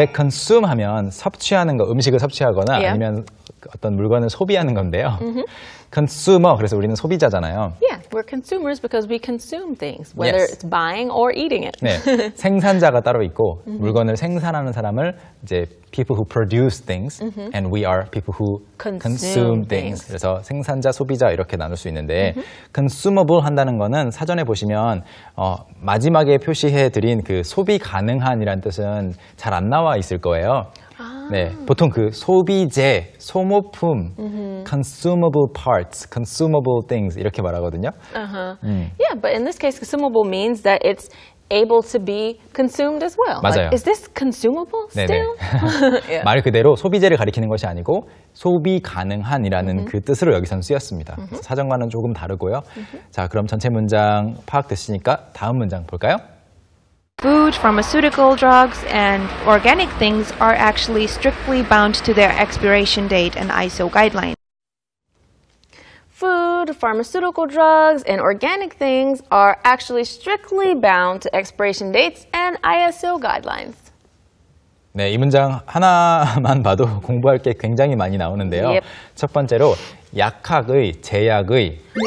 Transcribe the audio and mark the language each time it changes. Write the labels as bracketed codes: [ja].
[ko] 원래 consume 하면 섭취하는 거, 음식을 섭취하거나 아니면 어떤 물건을 소비하는 건데요. Consumer, 그래서 우리는 소비자잖아요. [en] Yeah, we're consumers because we consume things, whether it's buying or eating it. [ko] 네, 생산자가 따로 있고 물건을 생산하는 사람을 이제 [en] people who produce things, and we are people who consume things. [ko] 그래서 생산자, 소비자 이렇게 나눌 수 있는데 consumable 한다는 거는 사전에 보시면 마지막에 표시해드린 그 소비 가능한이라는 뜻은 잘 안 나와 있을 거예요. 네, 보통 그 소비재, 소모품, [en] consumable parts, consumable things [ko] 이렇게 말하거든요. [en] Yeah, but in this case, consumable means that it's able to be consumed as well. [ko] 맞아요. [en] Like, is this consumable still? [ko] 네네. 말 그대로 소비재를 가리키는 것이 아니고 소비 가능한이라는 그 뜻으로 여기서는 쓰였습니다. 사정과는 조금 다르고요. 자, 그럼 전체 문장 파악됐으니까 다음 문장 볼까요? [en] Food, pharmaceutical drugs, and organic things are actually strictly bound to their expiration date and ISO guidelines. Food, pharmaceutical drugs, and organic things are actually strictly bound to expiration dates and ISO guidelines. [ko] 네, 이 문장 하나만 봐도 공부할 게 굉장히 많이 나오는데요. [en] Yep. [ko] 첫 번째로 약학의, 제약의.